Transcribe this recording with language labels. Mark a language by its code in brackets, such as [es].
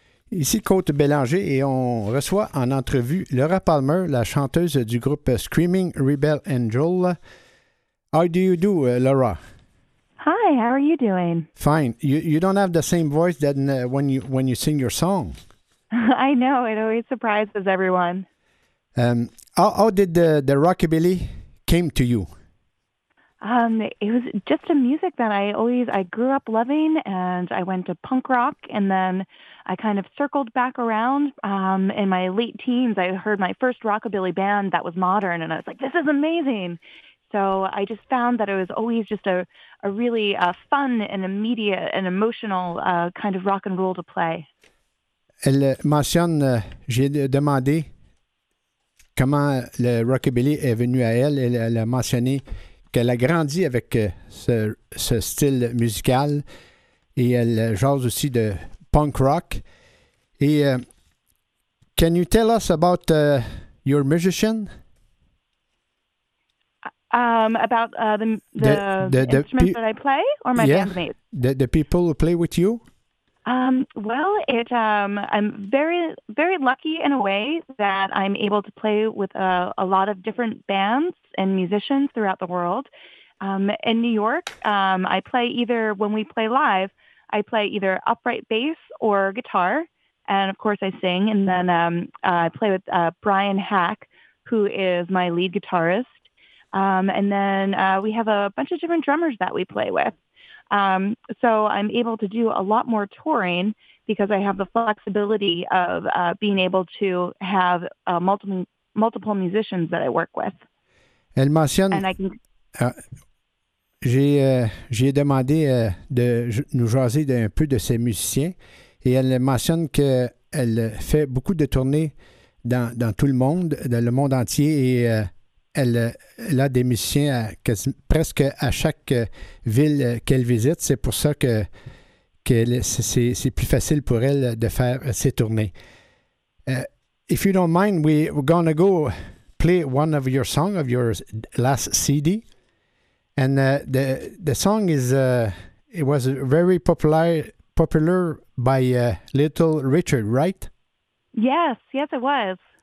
[fr] Ici Côte Bélanger et on reçoit en entrevue Laura Palmer, la chanteuse du groupe Screaming Rebel Angel. [en] How do you do, Laura? Hi, how are you doing? Fine. You don't have the same voice that when you sing your song. I know, it always surprises everyone. How did the rockabilly came to you? It was just a music that I grew up loving, and I went to punk rock, and then I kind of circled back around. In my late teens, I heard my first rockabilly band that was modern, and I was like, this is amazing. So I just found that it was always just a really fun and immediate and emotional kind of rock and roll to play. [fr] Elle mentionne, j'ai demandé comment le rockabilly est venu à elle. Elle a mentionné qu'elle a grandi avec ce style musical et elle jase aussi de punk rock. [en] Et can you tell us about your musician? About the instruments that I play or my bandmates? The people who play with you? I'm very, very lucky in a way that I'm able to play with a lot of different bands and musicians throughout the world. In New York, I play either, when we play live, I play either upright bass or guitar. And of course I sing. And then I play with Brian Hack, who is my lead guitarist. And then we have a bunch of different drummers that we play with. So I'm able to do a lot more touring because I have the flexibility of being able to have multiple musicians that I work with. [fr] Elle mentionne, [en] and I can, [fr] j'ai demandé de nous jaser un peu de ses musiciens et elle mentionne qu'elle fait beaucoup de tournées dans tout le monde, dans le monde entier et elle a des musiciens presque à chaque ville qu'elle visite. C'est pour ça que c'est plus facile pour elle de faire ses tournées. [en] If you don't mind, we're going to go play one of your song, of your last CD. And the song is it was very popular by Little Richard, right? Yes, it was.